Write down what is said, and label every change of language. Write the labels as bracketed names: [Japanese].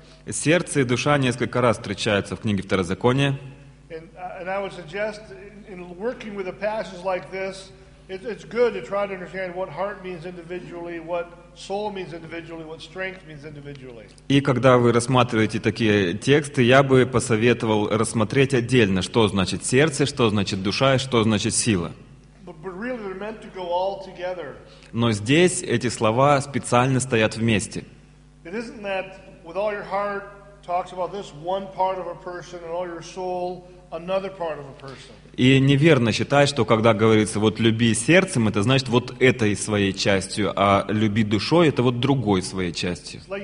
[Russian] Сердце и душа несколько раз встречаются в книге Второзакония. [English] And I would suggest in working with a passage like this, It's good to try to understand what heart means individually, what soul means individually, what strength means individually. [Russian] И когда вы рассматриваете такие тексты, я бы посоветовал рассмотреть отдельно, что значит сердце, что значит душа и что значит сила. [English] But really they're meant to go all together. [Russian] Но здесь эти слова специально стоят вместе. [English] It isn't that with all your heart talks about this one part of a person and all your soul another part of a person. [Russian] И неверно считать, что когда говорится «вот люби сердцем», это значит «вот этой своей частью», а «люби душой» — это вот другой своей частью.